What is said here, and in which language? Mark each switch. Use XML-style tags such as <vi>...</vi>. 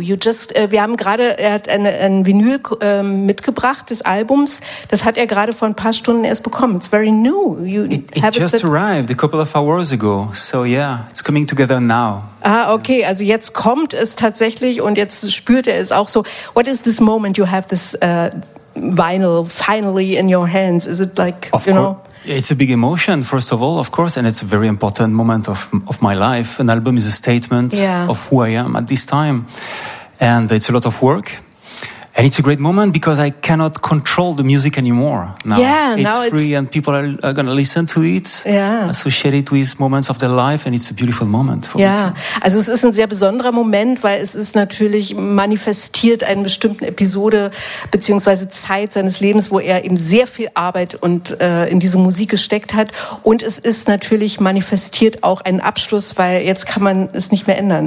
<de>Er hat ein Vinyl mitgebracht des Albums. Das hat er gerade vor ein paar Stunden erst bekommen.</de> <en>It's very new. It just arrived a couple of hours ago. So yeah, it's coming together now. Ah, okay. Yeah.</en> <de>Also jetzt kommt es tatsächlich und jetzt spürt er es auch so.</de> <en>What is this moment you have this vinyl finally in your hands? Is it like, of you know? It's a big emotion, first of all, of course, and it's a very important moment of my life. An album is a statement of who I am at this time. And it's a lot of work. And it's a great moment because I cannot control the music anymore. Now it's free and people are going to listen to it, associate it with moments of their life, and it's a beautiful moment for me too.</en> <de>Also es ist ein sehr besonderer Moment, weil es ist natürlich manifestiert einen bestimmten Episode beziehungsweise Zeit seines Lebens, wo er eben sehr viel Arbeit und in diese Musik gesteckt hat. Und es ist natürlich manifestiert auch einen Abschluss, weil jetzt kann man es nicht mehr ändern.</de>